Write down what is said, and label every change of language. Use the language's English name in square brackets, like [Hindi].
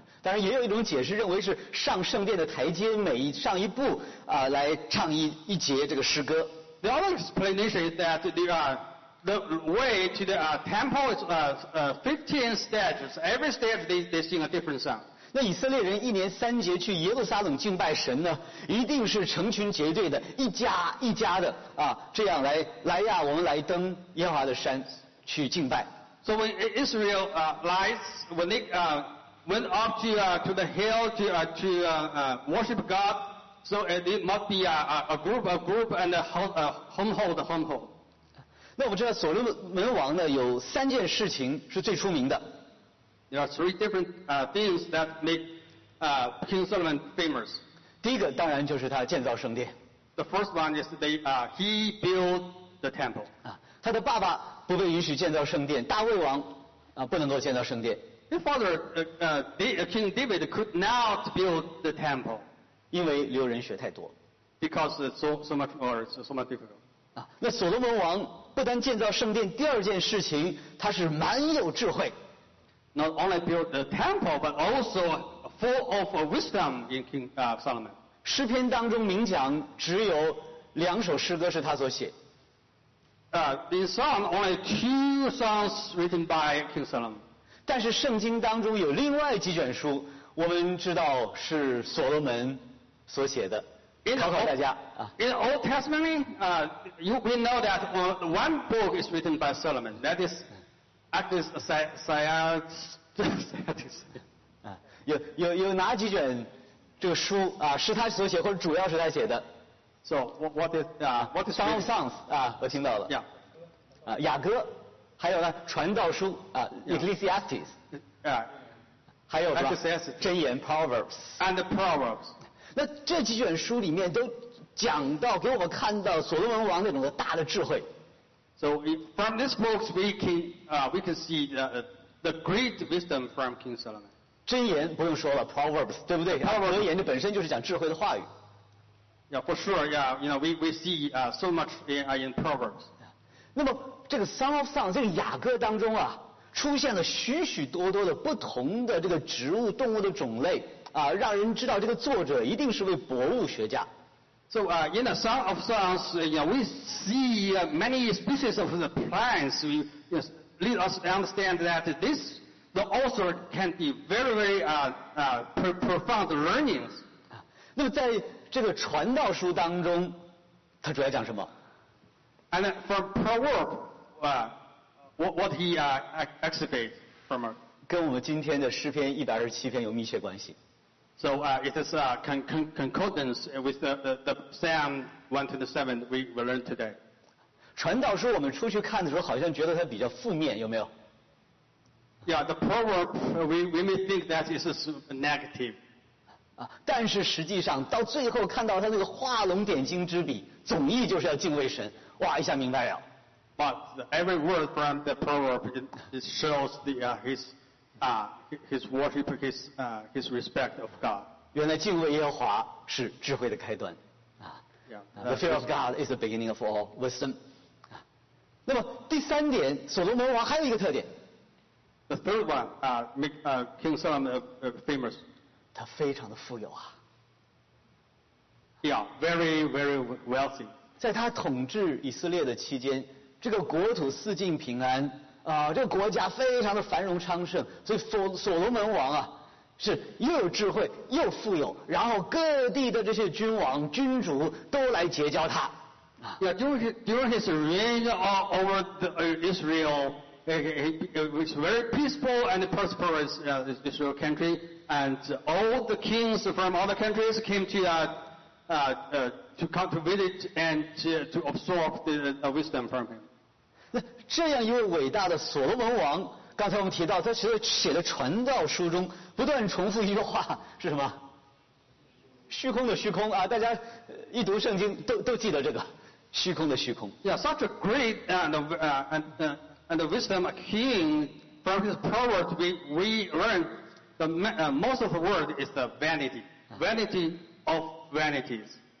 [Chinese] 当然也有一种解释认为是上圣殿的台阶，每一上一步来唱一节这个诗歌。 [English] The other explanation is that the way to the temple is 15 stages. Every stage they sing a different song. [Chinese] 那以色列人一年三节去耶路撒冷敬拜神呢，一定是成群结队的，一家一家的这样来呀，我们来登耶和华的山去敬拜。 [English] So when Israelites when they went up to the hill to worship God, so it must be a group and a homehold. [Chinese] 那我们知道所罗门王呢有三件事情是最出名的。 [English] There are three different things that make King Solomon famous. [Chinese] 第一个当然就是他建造圣殿。 [English] The first one is he built the temple. [Chinese] 他的爸爸不被允许建造圣殿，大卫王不能够建造圣殿。 [English] His father, King David, could not build the temple. [Chinese] 因为流人血太多。 [English] Because so much difficult. [Chinese] 那所罗门王不单建造圣殿，第二件事情，他是蛮有智慧。 [English] Not only build the temple, but also full of wisdom in King Solomon. [Chinese] 诗篇当中明讲，只有两首诗歌是他所写。 [English] In Psalm, only two songs written by King Solomon. [Chinese] 但是圣经当中有另外几卷书，我们知道是所罗门所写的。考考大家啊。 [English] In Old Testament, we know that one book is written by Solomon. That is Exodus, Exodus. [Chinese] 有哪几卷这个书啊？是他所写，或者主要是他写的？ [English] So what is Song of Songs [Chinese] 啊，我听到了。 [English] Yeah. [Chinese] 啊，雅歌，还有呢，传道书啊 ，Ecclesiastes。 [English] Yeah. [Chinese] 还有什么？箴言 Proverbs。 [English] And the Proverbs。 [Chinese] 那这几卷书里面都讲到，给我们看到所罗门王那种的大的智慧。 [English] So from this book we can see the great wisdom from King Solomon. [Chinese] 箴言不用说了 ，Proverbs 对不对？箴言这本身就是讲智慧的话语。 [English] Yeah, for sure. Yeah, you know, we see so much in Proverbs. [Chinese] 那么这个 [English] Song of Songs [Chinese] 这个雅歌当中啊，出现了许许多多的不同的这个植物、动物的种类啊，让人知道这个作者一定是位博物学家。 [English] So in the Song of Songs, you know, we see many species of the plants. We just lead us to understand that the author can be very, very profound learnings. [Chinese] 那么在这个传道书当中，他主要讲什么 [English] ？And from Proverb, what he exhibits from it? [Chinese] 跟我们今天的诗篇127篇有密切关系。 [English] So it is a concordance with the Psalm 127 we will learn today. [Chinese] 传道书我们出去看的时候，好像觉得它比较负面，有没有 [English] ？Yeah, the Proverb we may think that is negative. [Chinese] 啊，但是实际上到最后看到它那个画龙点睛之笔，总意就是要敬畏神。哇，一下明白了。 [English] But every word from the Proverb it shows the his worship, his respect of God. [Chinese] 原来敬畏耶和华是智慧的开端啊。 [English] Yeah, the fear of God is the beginning of all wisdom. [Chinese] 啊，那么第三点，所罗门王还有一个特点。 [English] The third one, King Solomon famous. [Chinese] 他非常的富有啊。 [English] Yeah, very very wealthy. [Chinese] 在他统治以色列的期间，这个国土四境平安。这个国家非常的繁荣昌盛，所以所罗门王啊，是又有智慧又富有，然后各地的这些君王君主都来结交他。 [English] Yeah, during his reign over the Israel, it was very peaceful and prosperous Israel country, and all the kings from other countries came to come to visit and to absorb the wisdom from him. [Chinese] 这样一位伟大的所罗门王，刚才我们提到，他其实写的传道书中不断重复一句话是什么？虚空的虚空啊！大家一读圣经都记得这个，虚空的虚空。 [English] Yeah, such a great and wisdom a king from his power to be we learn the most of the word is the vanity of vanities.